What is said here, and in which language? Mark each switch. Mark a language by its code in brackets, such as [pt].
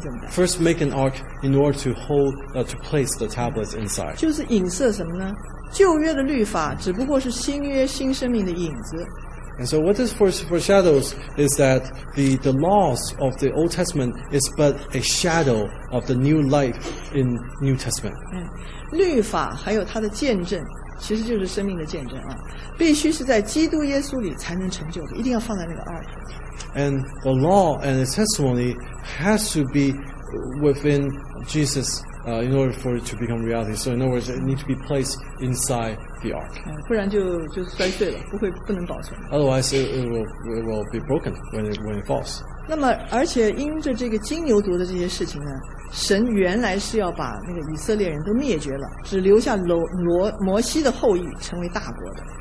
[en] First make an ark in order to hold, to place the tablets inside. [zh] 就是影射什么呢？旧约的律法只不过是新约新生命的影子。 [en] And so what this foreshadows is that the laws of the Old Testament is but a shadow of the new life in New Testament. [zh] 律法还有它的见证其实就是生命的见证啊，必须是在基督耶稣里才能成就的，一定要放在那个ark。 [en] And the law and the testimony has to be within Jesus in order for it to become reality. So in other words, it needs to be placed inside the ark. [zh] 不然就摔碎了，不能保存。 [en] Otherwise, it will be broken when it falls. [zh] 那么，而且因着这个金牛犊的这些事情呢，神原来是要把那个以色列人都灭绝了，只留下摩西的后裔成为大国的。